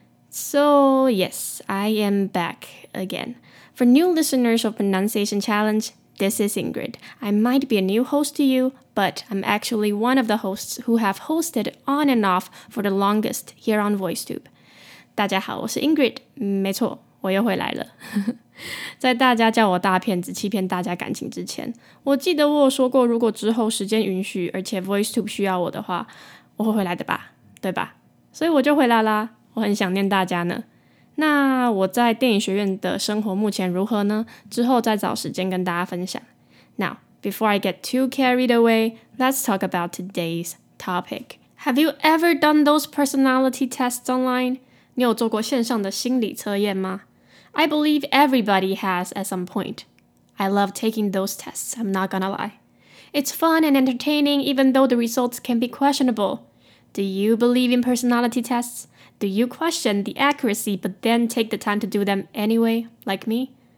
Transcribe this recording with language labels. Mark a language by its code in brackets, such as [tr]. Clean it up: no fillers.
[en] So, yes, I am back again. For new listeners of Pronunciation Challenge, this is Ingrid. I might be a new host to you, but I'm actually one of the hosts who have hosted on and off for the longest here on VoiceTube. [zh] 大家好,我是 Ingrid. 没错,我又回来了。在大家叫我大骗子欺骗大家感情之前，我记得我有说过，如果之后时间允许，而且 VoiceTube 需要我的话，我会回来的吧，对吧？所以我就回来啦，我很想念大家呢。那我在电影学院的生活目前如何呢？之后再找时间跟大家分享。 [en] Now, before I get too carried away, let's talk about today's topic. Have you ever done those personality tests online? [zh] 你有做过线上的心理测验吗？ [en] I believe everybody has at some point. I love taking those tests, I'm not gonna lie. It's fun and entertaining even though the results can be questionable. Do you believe in personality tests? Do you question the accuracy but then take the time to do them anyway, like me?